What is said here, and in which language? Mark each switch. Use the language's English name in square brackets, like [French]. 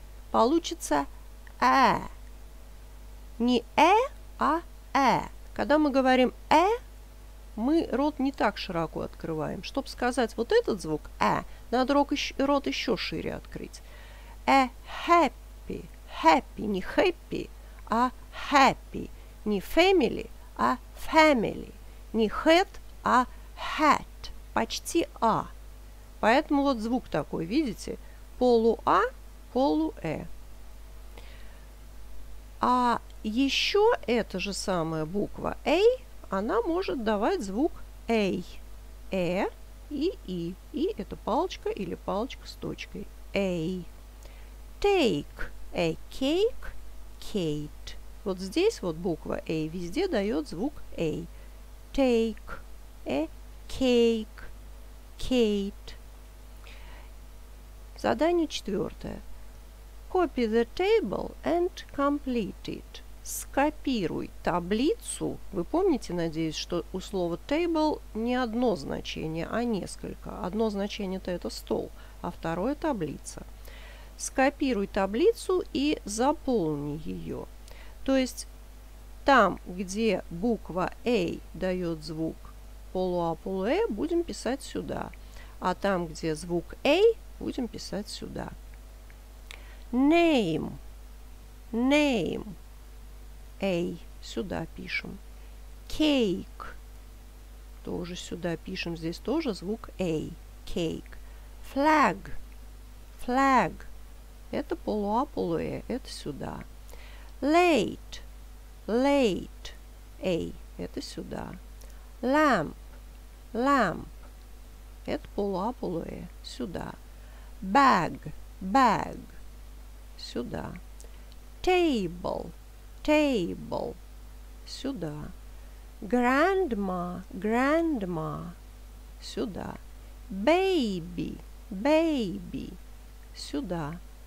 [Russian] Получится «э». Не «э», а «э». Когда мы говорим «э», мы рот не так широко открываем. Чтобы сказать вот этот звук «э», надо рот еще шире открыть. «Э» – «happy». «Happy» – не «happy», а «happy». Не family, а family. Не head, а hat. Почти а. Поэтому вот звук такой, видите? Полу-а, полу-э. А еще эта же самая буква A, она может давать звук A. Э и И. И это палочка или палочка с точкой. [English] A. Take a cake, Kate. [Russian] Вот здесь вот буква A везде дает звук A. [English] Take a cake, Kate. [Russian] Задание четвертое. [English] Copy the table and complete it. [Russian] Скопируй таблицу. Вы помните, надеюсь, что у слова table не одно значение, а несколько. Одно значение-то это стол, а второе таблица. Скопируй таблицу и заполни ее. То есть там, где буква A дает звук полуа, полуэ, будем писать сюда. А там, где звук A, будем писать сюда. Name. Name. A. Сюда пишем. Cake. Тоже сюда пишем. Здесь тоже звук A. Cake. Flag. Flag. Это полуа, полуэ. Это сюда. Late, late, A, это сюда. Lamp, lamp, это полуа, полуэ, сюда. Bag, bag, сюда. Table, table, сюда. Grandma, grandma, сюда. Baby, baby, сюда.